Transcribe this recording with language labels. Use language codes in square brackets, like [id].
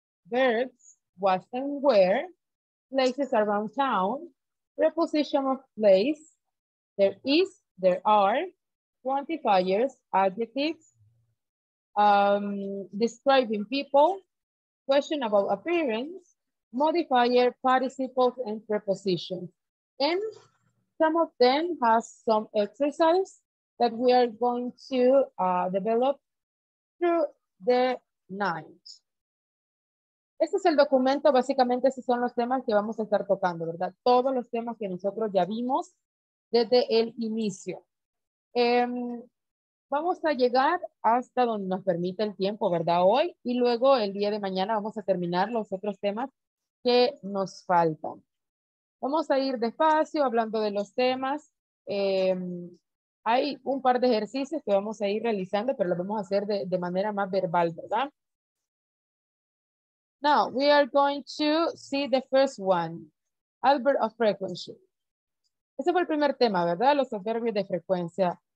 [en] verbs, was and where, places around town, preposition of place, there is, there are, quantifiers, adjectives, describing people, question about appearance, modifier, participles, and prepositions. And some of them has some exercise that we are going to develop through the night. [es] Este es el documento, básicamente esos son los temas que vamos a estar tocando, ¿verdad? Todos los temas que nosotros ya vimos desde el inicio. Vamos a llegar hasta donde nos permite el tiempo, ¿verdad? Hoy, y luego el día de mañana vamos a terminar los otros temas que nos faltan. Vamos a ir despacio hablando de los temas. Hay un par de ejercicios que vamos a ir realizando, pero lo vamos a hacer de manera más verbal, ¿verdad? [en] Now, we are going to see the first one. Adverb of frequency. [es] Ese fue el primer tema, ¿verdad? Los adverbios de frecuencia.